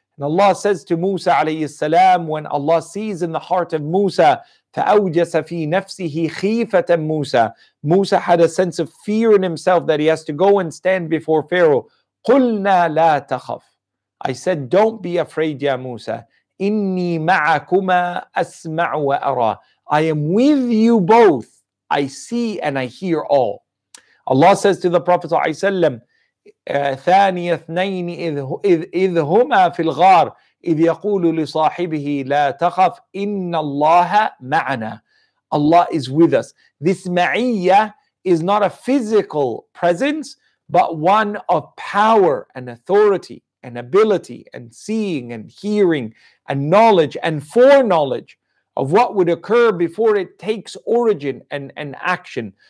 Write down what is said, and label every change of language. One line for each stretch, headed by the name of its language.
English: And Allah says to Musa alayhi salam, when Allah sees in the heart of Musa,
Arabic: فَأَوْجَسَ فِي نَفْسِهِ خِيفَةً مُوسَى,
English: Musa had a sense of fear in himself that he has to go and stand before Pharaoh.
Arabic: قُلْنَا لَا تَخَفْ,
English: I said, don't be afraid, ya Musa.
Arabic: إِنِّي مَعَكُمَا أَسْمَعُ وَأَرَى,
English: I am with you both. I see and I hear all. Allah says to the Prophet
Arabic: ثَانِيَ اثْنَيْنِ إِذْ هُمَا فِي الْغَارِ إِذْ يَقُولُ لِصَاحِبِهِ لَا تَخَفْ إِنَّ اللَّهَ مَعَنَا,
English: Allah is with us. This ma'iyyah is not a physical presence, but one of power and authority and ability and seeing and hearing and knowledge and foreknowledge of what would occur before it takes origin and action.